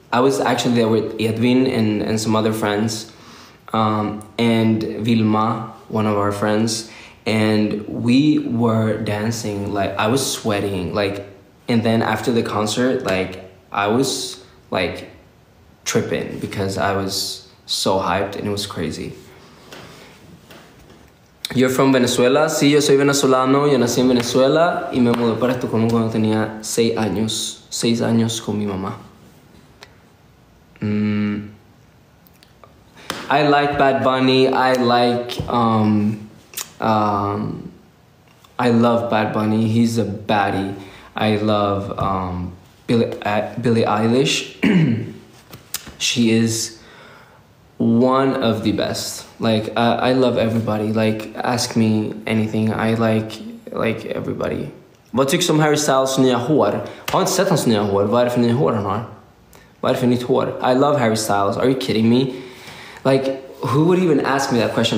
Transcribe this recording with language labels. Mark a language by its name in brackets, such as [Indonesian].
[English] I was actually there with Edvin and some other friends, and Vilma, one of our friends, and we were dancing. Like, I was sweating. Like, and then after the concert, like, I was like tripping because I was so hyped and it was crazy. You're from Venezuela? [Spanish] Sí, yo soy venezolano. Yo nací en Venezuela y me mudé para Estocolmo cuando tenía 6 años. 6 años con mi mamá. [English] I like Bad Bunny. I like, I love Bad Bunny. He's a baddie. I love Billie Eilish. She is one of the best. Like, I love everybody. Like, ask me anything. I like everybody. [Swedish] Vad tycker du om Harry Styles nya hår? Har inte sett hans nya hår. Vad är det för nya hår han har? Vad är det för nytt hår? [English] I love Harry Styles. Are you kidding me? Like, who would even ask me that question?